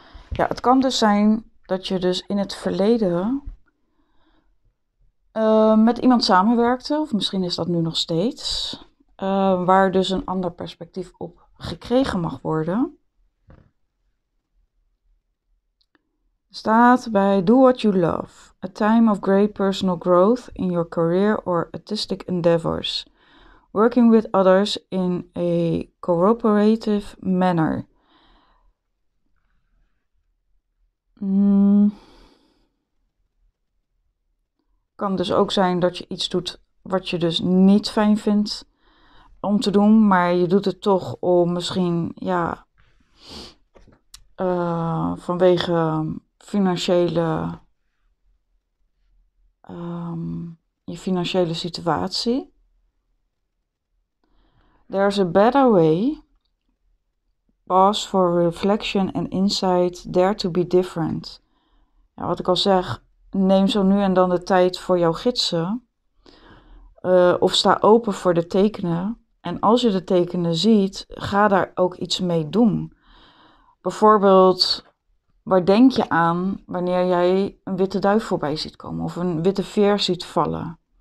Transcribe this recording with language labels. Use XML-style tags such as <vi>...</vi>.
<nl>Ja, het kan dus zijn dat je dus in het verleden met iemand samenwerkte, of misschien is dat nu nog steeds. Waar dus een ander perspectief op gekregen mag worden. Staat bij</nl> <en>do what you love. A time of great personal growth in your career or artistic endeavors. Working with others in a cooperative manner.</en> <nl>Kan dus ook zijn dat je iets doet wat je dus niet fijn vindt om te doen, maar je doet het toch om misschien, ja, vanwege financiële, je financiële situatie.</nl> <en>There's a better way. Pause for reflection and insight. Dare to be different.</en> <nl>Ja, wat ik al zeg, neem zo nu en dan de tijd voor jouw gidsen. Of sta open voor de tekenen. En als je de tekenen ziet, ga daar ook iets mee doen. Bijvoorbeeld, Waar denk je aan wanneer jij een witte duif voorbij ziet komen of een witte veer ziet vallen?</nl>